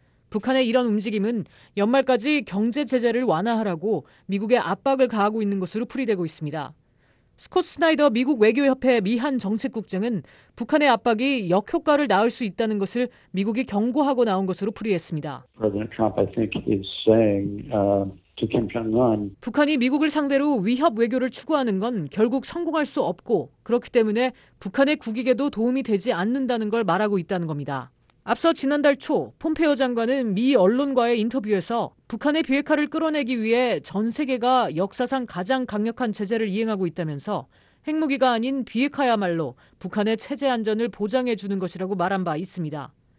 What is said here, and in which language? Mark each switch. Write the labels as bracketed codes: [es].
[ko] 북한의 이런 움직임은 연말까지 경제 제재를 완화하라고 미국에 압박을 가하고 있는 것으로 풀이되고 있습니다. 스콧 스나이더 미국 외교협회 미한 정책국장은 북한의 압박이 역효과를 낳을 수 있다는 것을 미국이 경고하고 나온 것으로 풀이했습니다. [en] President Trump, I think, is saying, to Kim Jong-un. [ko] 북한이 미국을 상대로 위협 외교를 추구하는 건 결국 성공할 수 없고 그렇기 때문에 북한의 국익에도 도움이 되지 않는다는 걸 말하고 있다는 겁니다. 앞서 지난달 초 폼페오 장관은 미 언론과의 인터뷰에서 북한의 비핵화를 끌어내기 위해 전 세계가 역사상 가장 강력한 제재를 이행하고 있다면서 핵무기가 아닌 비핵화야말로 북한의 체제 안전을 보장해 주는 것이라고 말한 바 있습니다.